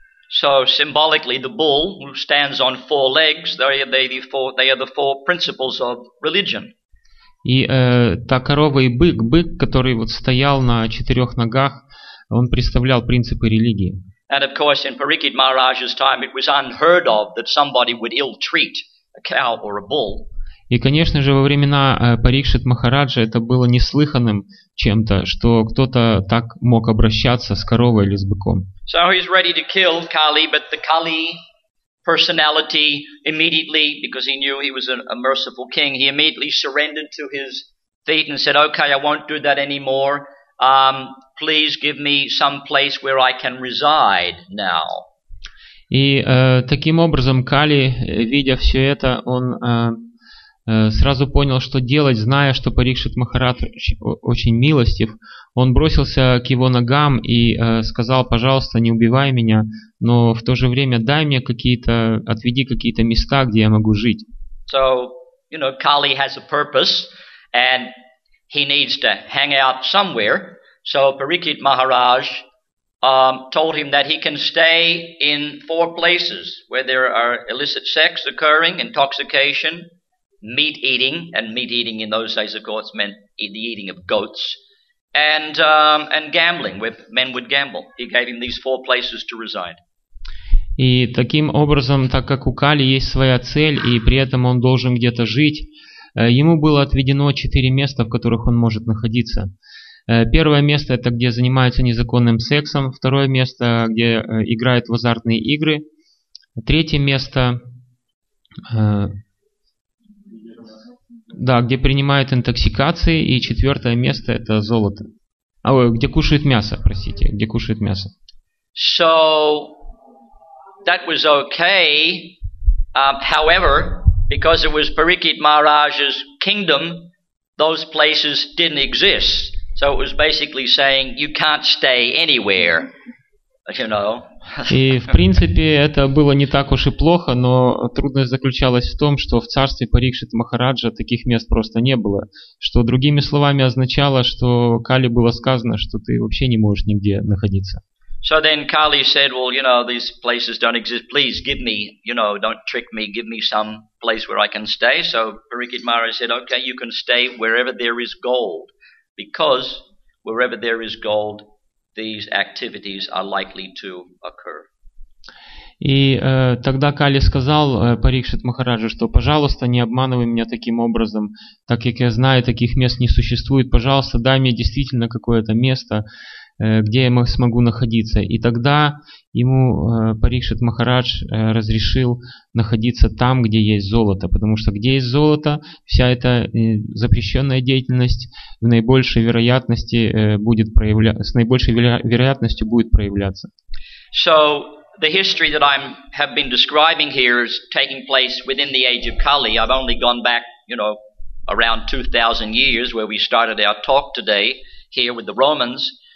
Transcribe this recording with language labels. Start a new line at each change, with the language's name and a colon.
English: So symbolically, the bull who stands on four legs, they are the four principles of religion.
Russian: И та корова и бык, который вот стоял на четырех ногах, он представлял принципы религии.
English: And of course, in Parikit Maharaj's time, it was unheard of that somebody would ill-treat a cow or a bull.
Russian: И, конечно же, во времена Парикшит Махараджа это было неслыханным чем-то, что кто-то так мог обращаться с коровой или с быком.
English: So he's ready to kill Kali, but the Kali personality immediately, because he knew he was a merciful king, he immediately surrendered to his feet and said, okay, I won't do that anymore. Please give me some place where I can reside now.
Russian: И таким образом Кали, видя все это, он сразу понял, что делать, зная, что Парикшит Махарадж очень милостив. Он бросился к его ногам и сказал, пожалуйста, не убивай меня, но в то же время дай мне какие-то, отведи какие-то места, где я могу жить.
English: So, you know, Kali has a purpose, and he needs to hang out somewhere. So Parikit Maharaj told him that he can stay in four places where there are illicit sex occurring, intoxication, meat eating, and meat eating in those days, of course, meant the eating of goats, and gambling, where men would gamble. He gave him these four places to reside.
Russian: И таким образом, так как у Кали есть своя цель, и при этом он должен где-то жить, ему было отведено четыре места, в которых он может находиться. Первое место – это где занимаются незаконным сексом. Второе место – где играют в азартные игры. Третье место где принимают интоксикации. И четвертое место – это золото. Где кушают мясо, простите. Где кушают мясо.
English: So, that was okay. However, because it was Parikit Maharaj's kingdom, those places didn't exist. So it was basically saying you can't stay anywhere, you know.
Russian: И в принципе это было не так уж и плохо, но трудность заключалась в том, что в царстве Парикшит Махараджа таких мест просто не было, что другими словами означало, что Кали было сказано, что ты вообще не можешь нигде находиться.
English: So then Carly said, well, you know, these places don't exist. Please give me, you know, don't trick me. Give me some place where I can stay. So Parikit Maharaj said, okay, you can stay wherever there is gold, because wherever there is gold, these activities are likely to occur.
Russian: И тогда Кали сказал Парикшит Махараджу, что, пожалуйста, не обманывай меня таким образом, так как я знаю, таких мест не существует. Пожалуйста, дай мне действительно какое-то место, где я смогу находиться. И тогда ему Парикшит Махарадж разрешил находиться там, где есть золото. Потому что где есть золото, вся эта запрещенная деятельность в наибольшей вероятности будет с наибольшей вероятностью будет проявляться.
English: So, the history that I have been describing here is taking place within the age of Kali. I've only gone back, you know, around 2,000 years where we started our talk today here with the Romans.